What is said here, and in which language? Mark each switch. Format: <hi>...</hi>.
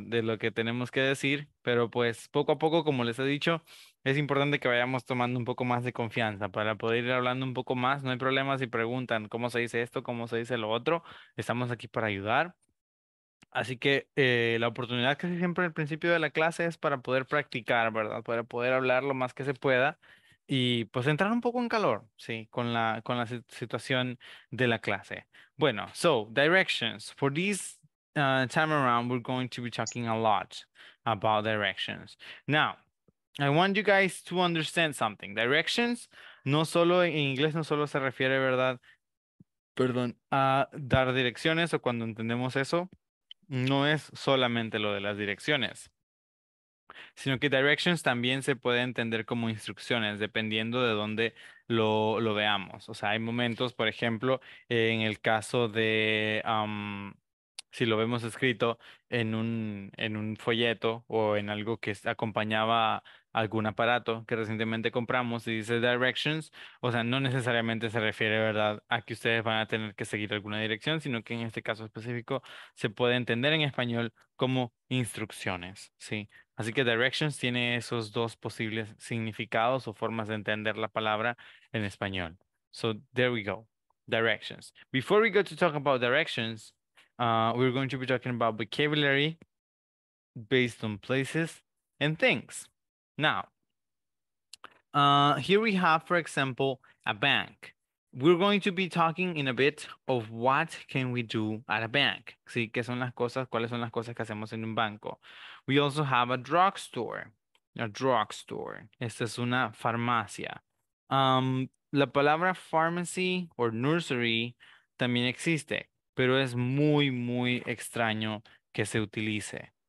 <es>De lo que tenemos que decir, pero pues poco a poco, como les he dicho, es importante que vayamos tomando un poco más de confianza para poder ir hablando un poco más. No hay problema si preguntan cómo se dice esto, cómo se dice lo otro. Estamos aquí para ayudar. Así que la oportunidad casi siempre al principio de la clase es para poder practicar, ¿verdad? Para poder hablar lo más que se pueda y pues entrar un poco en calor, ¿sí? Con la situación de la clase. Bueno, so, directions.</es> <en>For this time around, we're going to be talking a lot about directions. Now, I want you guys to understand something.</en> <es>Directions, no solo en inglés, no solo se refiere, ¿verdad? Perdón, a dar direcciones o cuando entendemos eso. No es solamente lo de las direcciones, sino que directions también se puede entender como instrucciones, dependiendo de dónde lo veamos. O sea, hay momentos, por ejemplo, en el caso de, si lo vemos escrito en un folleto o en algo que acompañaba algún aparato que recientemente compramos y dice directions, o sea, no necesariamente se refiere, ¿verdad?, a que ustedes van a tener que seguir alguna dirección, sino que en este caso específico se puede entender en español como instrucciones, ¿sí? Así que directions tiene esos dos posibles significados o formas de entender la palabra en español.</es> <en>So, there we go, directions. Before we go to talk about directions, we're going to be talking about vocabulary based on places and things. Now, here we have, for example, a bank. We're going to be talking in a bit of what can we do at a bank.</en> <es>¿Sí? ¿Qué son las cosas? ¿Cuáles son las cosas que hacemos en un banco?</es> <en>We also have a drugstore.</en> <es>A drugstore. Esta es una farmacia. La palabra pharmacy or nursery también existe, pero es muy, muy extraño que se utilice.</es>